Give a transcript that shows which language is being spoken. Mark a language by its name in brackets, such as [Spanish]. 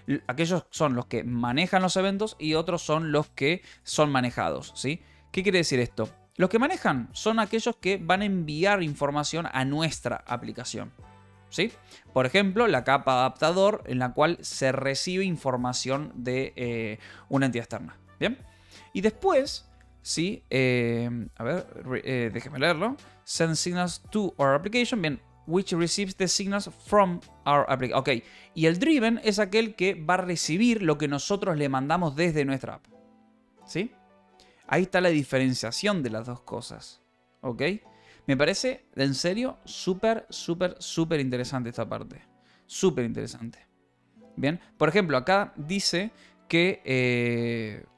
[Spanish] Aquellos son los que manejan los eventos y otros son los que son manejados, ¿sí? ¿Qué quiere decir esto? Los que manejan son aquellos que van a enviar información a nuestra aplicación, ¿sí? Por ejemplo, la capa adaptador en la cual se recibe información de una entidad externa, ¿bien? Y después, ¿sí? Déjeme leerlo. [English] Send signals to our application, bien, which receives the signals from our application. [Spanish] Ok, y el driven es aquel que va a recibir lo que nosotros le mandamos desde nuestra app. ¿Sí? Ahí está la diferenciación de las dos cosas. ¿Ok? Me parece, en serio, súper, súper, súper interesante esta parte. Súper interesante. Bien, por ejemplo, acá dice que...